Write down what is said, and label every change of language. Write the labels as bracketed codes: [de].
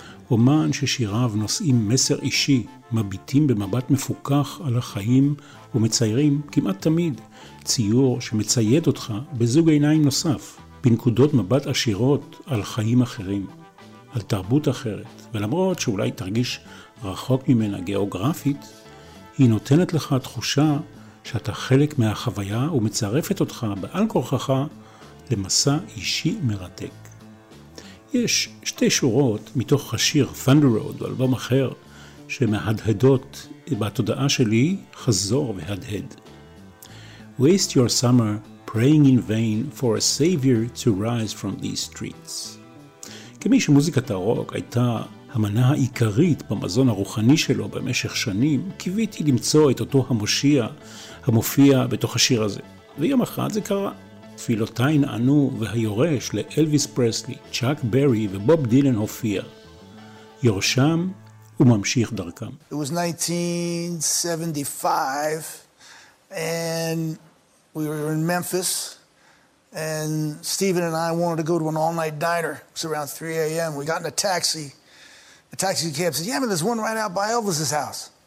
[he] אומן ששיריו נושאים מסר אישי, מביטים במבט מפוכח על החיים ומציירים כמעט תמיד ציור שמצייד אותך בזוג עיניים נוסף, בנקודות מבט עשירות על חיים אחרים, על תרבות אחרת, ולמרות שאולי תרגיש רחוק ממנה גיאוגרפית, היא נותנת לך תחושה שאתה חלק מהחוויה ומצרפת אותך בעל כורכך למסע אישי מרתק. יש שתי שורות מתוך השיר Thunder Road או אלבום אחר שמהדהדות בתודעה שלי חזור והדהד. [en] Waste your summer praying in vain for a savior to rise from these streets. [he] כמי שמוזיקת הרוק הייתה המנה העיקרית במזון הרוחני שלו במשך שנים, קיוויתי למצוא את אותו המושיע המופיע בתוך השיר הזה. ויום אחד זה קרה. תפילותיי נענו והיורש לאלוויס פרסלי, צ'אק ברי ובוב דילן הופיע. יורשם וממשיך דרכם. [en] It was 1975 and we were in Memphis and Steven and I wanted to go to an all-night diner. It was around 3 a.m. We got in a taxi. The taxi cab said, yeah, but there's one right out by Elvis's house.